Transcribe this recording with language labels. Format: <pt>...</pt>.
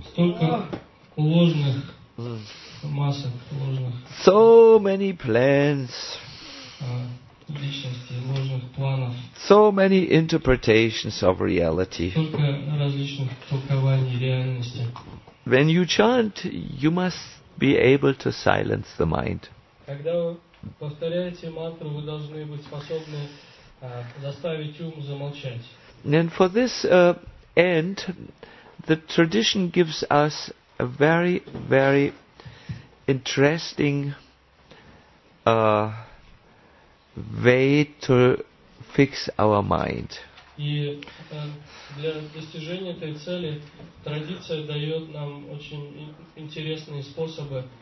<ru>Столько ложных масок, ложных.</ru> <en>So many plans.</en> <ru>Личности, ложных планов.</ru> <en>So many interpretations of reality.</en> <ru>Столько различных толкований реальности.</ru> <en>When you chant, you must be able to silence the mind.</en> <ru>Когда вы повторяете мантру, вы должны быть способны заставить ум замолчать.</ru> <en>And for this end, the tradition gives us a very, very interesting way to fix our mind.</en> <ru>И для достижения этой цели традиция дает нам очень интересные способы.</ru>